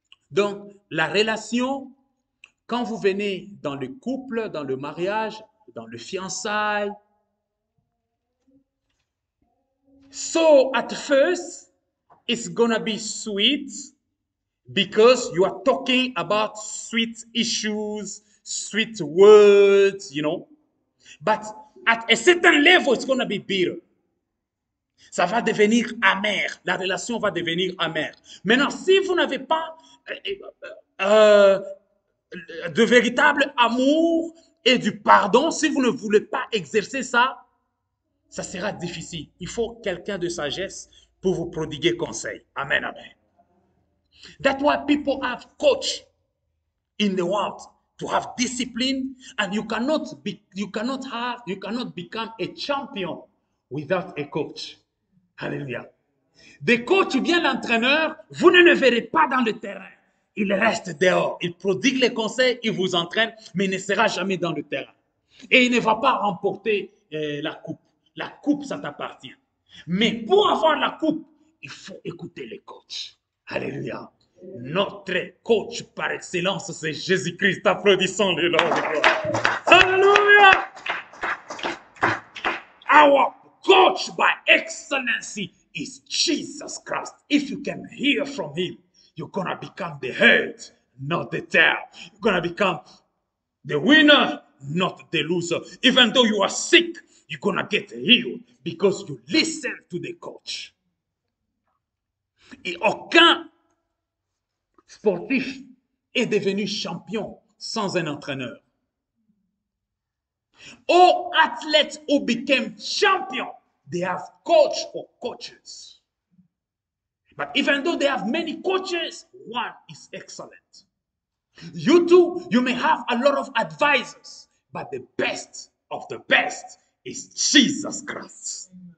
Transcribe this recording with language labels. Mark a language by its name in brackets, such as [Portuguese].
[French] Donc, la relation, quand vous venez dans le couple, dans le mariage, dans le fiançailles, [English] so at first, it's gonna be sweet because you are talking about sweet issues, sweet words, you know. But at a certain level, it's gonna be bitter. [French] Ça va devenir amer. La relation va devenir amer. Maintenant, si vous n'avez pas de véritable amour et du pardon, si vous ne voulez pas exercer ça, ça sera difficile. Il faut quelqu'un de sagesse pour vous prodiguer conseil. [English] Amen, amen. That's why people have coach in the world to have discipline, and you cannot become a champion without a coach. Alléluia. [French] Des coachs ou bien l'entraîneur, vous ne le verrez pas dans le terrain. Il reste dehors. Il prodigue les conseils, il vous entraîne, mais il ne sera jamais dans le terrain. Et il ne va pas remporter la coupe. La coupe, ça t'appartient. Mais pour avoir la coupe, il faut écouter les coachs. Alléluia. Notre coach par excellence, c'est Jésus-Christ. Applaudissons-le. Alléluia. [English] Our coach by excellency is Jesus Christ. If you can hear from him, you're going to become the head, not the tail. You're going to become the winner, not the loser. Even though you are sick, you're going to get healed because you listen to the coach. [French] Et aucun sportif est devenu champion sans un entraîneur. [English] All athletes who became champions, they have coach or coaches. But even though they have many coaches, one is excellent. You too, you may have a lot of advisors, but the best of the best is Jesus Christ.